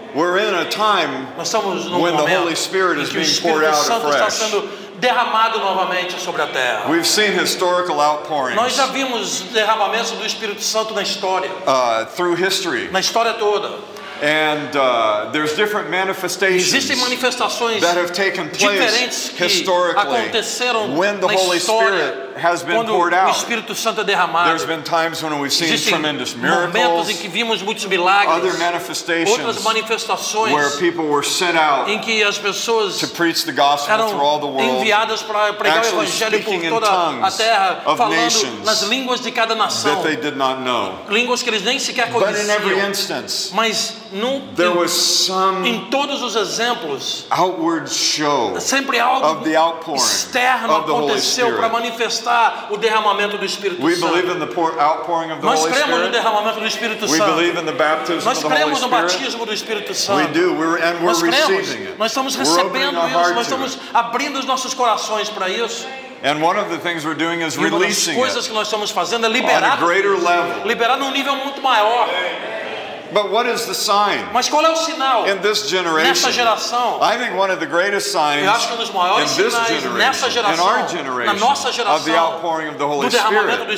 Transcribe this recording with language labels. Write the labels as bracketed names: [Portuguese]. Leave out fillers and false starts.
[English] We're in a time when the Holy Spirit is being poured out afresh. [Portuguese] Derramado novamente sobre a terra. [English] We've seen historical outpourings. [Portuguese] Nós já vimos derramamento do Espírito Santo na história. [English] Through history. [Portuguese] Na história toda. [English] And there's different manifestations. [Portuguese] Existem manifestações [English] that have taken place [Portuguese] diferentes que [English] historically [Portuguese] aconteceram [English] when the [Portuguese] na [English] Holy [Portuguese] história, [English] Spirit has been poured out. [Portuguese] O Espírito Santo é derramado. [English] There's been times when we've seen [Portuguese] existem [English] tremendous miracles. [Portuguese] Momentos em que vimos muitos milagres. [English] Other manifestations, [Portuguese] outras manifestações [English] where people were sent out [Portuguese] em que as pessoas [English] to preach the gospel [Portuguese] eram [English] through all the world, [Portuguese] enviadas para pregar o evangelho por toda a terra, falando nas línguas de cada nação. [English] That they did not know. [Portuguese] Línguas que eles nem sequer conheciam. [English] But in every instance, [Portuguese] mas [English] there was some [Portuguese] em todos os exemplos [English] outward show [Portuguese] sempre algo [English] of the outpouring [Portuguese] externo [English] of the [Portuguese] aconteceu para manifestar o derramamento do Espírito [English] we [Portuguese] Santo. [English] Believe in the outpouring of the [Portuguese] nós cremos [English] Holy [Portuguese] no derramamento do Espírito [English] we [Portuguese] Santo. [English] Believe in the baptism [Portuguese] nós [English] of the [Portuguese] cremos [English] Holy [Portuguese] no batismo do Espírito Santo. [English] We do. We're, and we're [Portuguese] nós cremos. [English] Receiving it. [Portuguese] Nós estamos recebendo we're opening isso. Nós estamos abrindo os nossos corações para isso. [English] And one of the things we're doing is releasing [Portuguese] e uma das coisas que nós estamos fazendo é liberar [English] on a greater level. [Portuguese] Liberar num nível muito maior. [English] But what is the sign? [Portuguese] Mas qual é o sinal? [English] In this generation. [Portuguese] Nessa geração. [English] I think one of the greatest signs. [Portuguese] Eu acho que um dos maiores [English] in this [Portuguese] sinais [English] generation, [Portuguese] nessa geração. [English] In our generation. [Portuguese] Na nossa geração. [English] Of the outpouring of the Holy [Portuguese] do derramamento